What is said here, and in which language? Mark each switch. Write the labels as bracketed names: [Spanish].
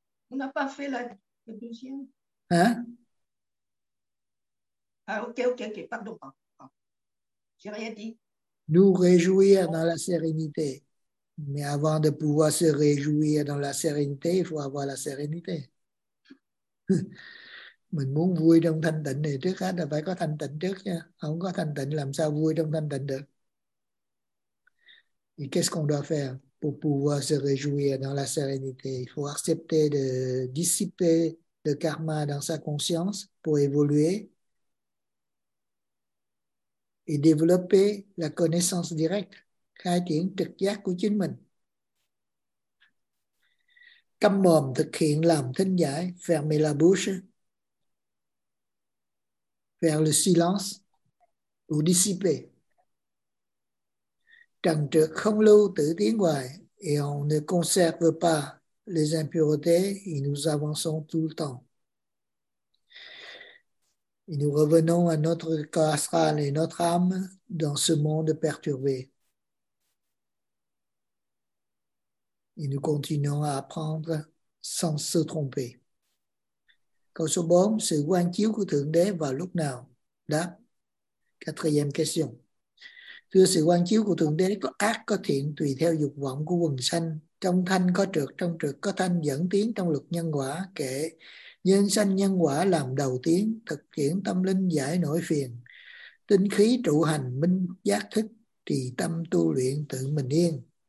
[French] On n'a pas fait la deuxième. Hein? Ah, ok, pardon. J'ai rien dit. Nous réjouir dans la sérénité. Mais avant de pouvoir se réjouir dans la sérénité, il faut avoir la sérénité. [Vietnamese] Mình muốn vui trong thanh tịnh thì trước hết là phải có thanh tịnh trước nha. Không có thanh tịnh làm sao vui trong thanh tịnh được. [French] Et qu'est-ce qu'on doit faire pour pouvoir se réjouir dans la sérénité? Il faut accepter de dissiper le karma dans sa conscience pour évoluer et développer la connaissance directe. [Vietnamese] Khai triển trực giác của chính mình. Câm mồm thực hiện làm thinh giải. [French] Fermer la bouche. Faire le silence pour dissiper. [Vietnamese] Trần trực không lưu tự tiến hoài [French] et on ne conserve pas les impuretés et nous avançons tout le temps. Et nous revenons à notre corps astral et notre âme dans ce monde perturbé. Et nous continuons à apprendre sans se tromper. [Vietnamese] Câu số 4, sự quan chiếu của Thượng Đế vào lúc nào? Đáp, [French] quatrième question. [Vietnamese] Thưa, sự quan chiếu của Thượng Đế có ác có thiện tùy theo dục vọng của quần sanh. Trong trược có thanh dẫn tiến trong luật nhân quả. Kể nhân sanh nhân quả làm đầu tiến, thực hiện tâm linh giải nỗi phiền. Tinh khí trụ hành minh giác thức, trì tâm tu luyện tự mình yên.